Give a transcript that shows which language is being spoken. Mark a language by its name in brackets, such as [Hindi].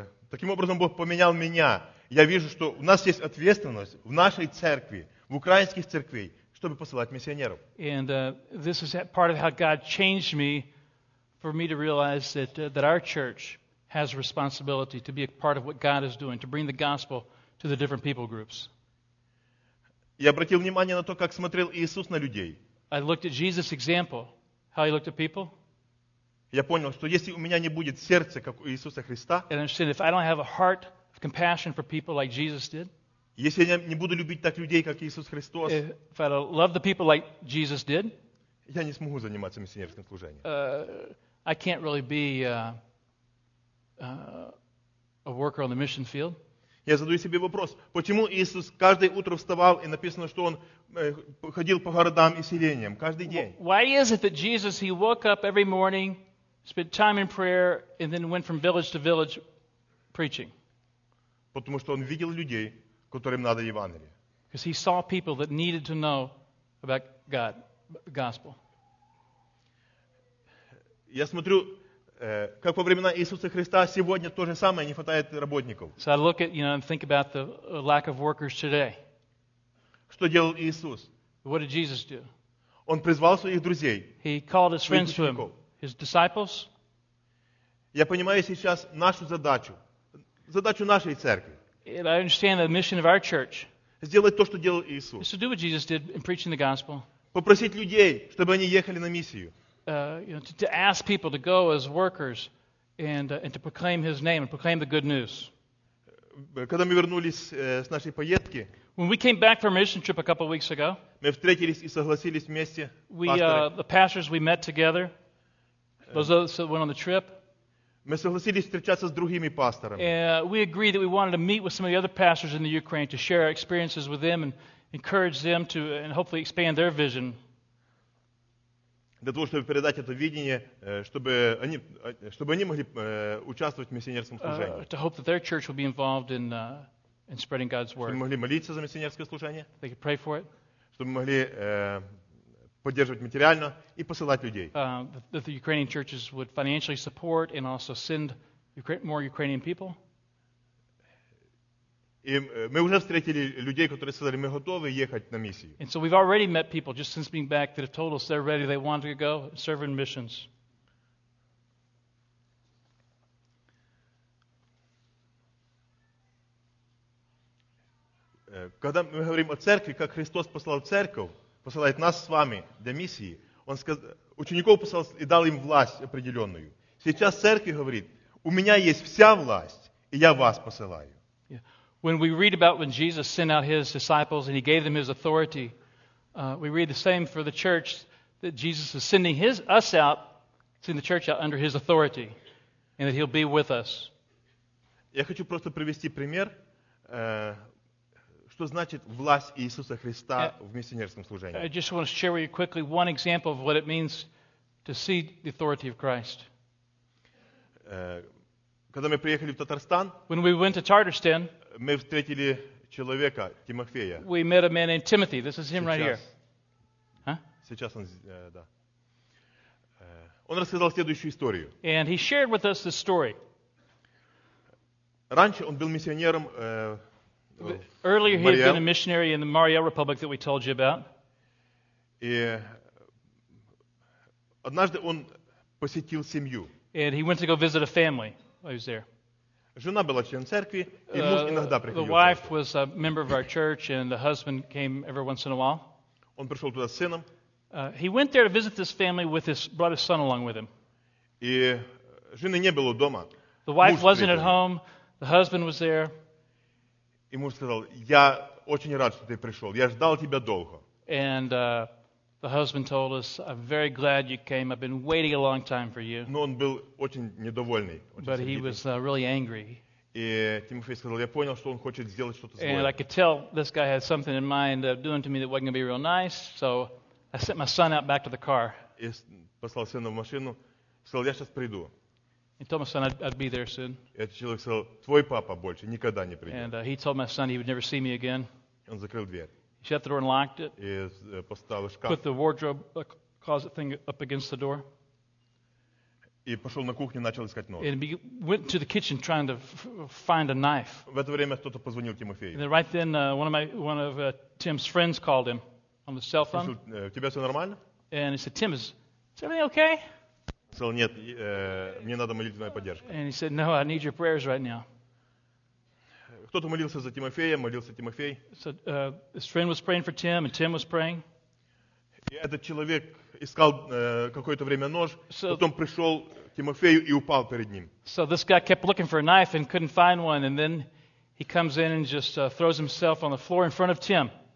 [Russian] Таким образом Бог поменял меня. Я вижу, что у нас есть ответственность в нашей церкви. В украинских церквей, чтобы посылать миссионеров. [English] And this is part of how God changed me, for me to realize that that our church has responsibility to be a part of what God is doing, to bring the gospel to the different people groups. [Russian] Я обратил внимание на то, как смотрел Иисус на людей. [English] I looked at Jesus' example, how he looked at people. [Russian] Я понял, что если у меня не будет сердца, как у Иисуса Христа, [English] and I understood if I don't have a heart of compassion for people like Jesus did. [Russian] Если я не буду любить так людей, как Иисус Христос, [English] if I don't love the people like Jesus did, [Russian] я не смогу заниматься миссионерским служением. [English] I can't really be a worker on the mission field. [Russian] Я задаю себе вопрос, почему Иисус каждое утро вставал и написано, что Он ходил по городам и селениям каждый день? [English] Why is it that Jesus, He woke up every morning, spent time in prayer, and then went from village to village preaching? [Russian] Потому что Он видел людей, которым надо Евангелие. [English] Because he saw people that needed to know about God, the gospel. [Russian] Я смотрю, как во времена Иисуса Христа, сегодня то же самое, не хватает работников. [English] So I look at, you know, and think about the lack of workers today. [Russian] Что делал Иисус? [English] What did Jesus do? [Russian] Он призвал своих друзей. [English] He called his friends to him. His disciples. [Russian] Я понимаю сейчас нашу задачу. Задачу нашей церкви. [English] And I understand the mission of our church. [Russian] Сделать то, что делал Иисус. [English] To do what Jesus did in preaching the gospel. [Russian] Попросить людей, чтобы они ехали на миссию. [English] To ask people to go as workers and to proclaim his name and proclaim the good news. [Russian] Когда мы вернулись с нашей поездки, [English] when we came back from a mission trip a couple of weeks ago, [Russian] мы встретились и согласились вместе, [English] the pastors we met together, those of us that went on the trip, [Russian] мы согласились встречаться с другими пасторами. [English] We agreed that we wanted to meet with some of the other pastors in the Ukraine to share our experiences with them and encourage them to and hopefully expand their vision. [Russian] Для того, чтобы передать это видение, чтобы они могли участвовать в миссионерском служении. [English] To hope that their church will be involved in spreading God's word. [Russian] Чтобы могли молиться за миссионерское служение. [English] They could pray for it. [Russian] Чтобы могли поддерживать материально и посылать людей. [English] That the Ukrainian churches would financially support and also send more Ukrainian people. [Russian] И мы уже встретили людей, которые сказали, мы готовы ехать на миссию. [English] And so we've already met people just since being back that have told us they're ready, they want to go serve in missions. [Russian] Когда мы говорим о церкви, как Христос послал церковь, посылает нас с вами для миссии, Он сказал, учеников послал и дал им власть определенную. Сейчас церковь говорит, у меня есть вся власть, и я вас посылаю. [English] When we read about when Jesus sent out his disciples and he gave them his authority, we read the same for the church that Jesus is sending us out, sending the church out under his authority, and that he'll be with us. [Russian] Я хочу просто привести пример, что значит власть Иисуса Христа в миссионерском служении. [English] I just want to share with you quickly one example of what it means to see the authority of Christ. [Russian] Когда мы приехали в Татарстан, [English] when we went to Tatarstan, [Russian] мы встретили человека, Тимофея. [English] We met a man named Timothy. This is him right here. [Russian] Сейчас он, да. Он рассказал следующую историю. [English] And he shared with us this story. [Russian] Раньше он был миссионером [English] Earlier he had been a missionary in the Mariel Republic that we told you about. [Russian] И однажды он посетил семью. [English] And he went to go visit a family while he was there. [Russian] Жена была член церкви, и муж иногда приходил. [English] The wife was a member of our church, and the husband came every once in a while. [Russian] Он пришел туда с сыном. [English] He went there to visit this family with his brought his son along with him. [Russian] И жены не было дома. [English] The wife wasn't at home. The husband was there. [Russian] И муж сказал: «Я очень рад, что ты пришел. Я ждал тебя долго». [English] And the husband told us, "I'm very glad you came. I've been waiting a long time for you." [Russian] Но он был очень недовольный. [English] But he was really angry. [Russian] И Тимофей сказал, я понял, что он хочет сделать что-то злое. [English] And I could tell this guy had something in mind doing to me that wasn't going to be real nice. So I sent my son out back to the car. [Russian] И послал сына в машину, сказал, я сейчас приду. [English] He told my son I'd be there soon. [Russian] Этот человек сказал, твой папа больше никогда не придет. [English] And he told my son he would never see me again. [Russian] Он закрыл дверь. [English] Shut the door and locked it. [Russian] И поставил шкаф. [English] Put the wardrobe closet thing up against the door. [Russian] И пошел на кухню, начал искать нож. [English] And he went to the kitchen trying to find a knife. [Russian] В это время кто-то позвонил Тимофею. [English] And then right then one of Tim's friends called him on the cell phone. [Russian] У тебя все нормально? [English] And he said, Tim, is everything okay? [Russian] Сказал, нет, мне надо молитвенная поддержка. [English] And he said, no, I need your prayers right now. [Russian] Кто-то молился за Тимофея, молился Тимофей. [English] So, his friend was praying for Tim, and Tim was praying. [Russian] И этот человек искал какое-то время нож, so, потом пришел к Тимофею и упал перед ним. [English] So this guy kept looking for a knife and couldn't find one, and then he comes in and just throws himself on the floor in front of Tim.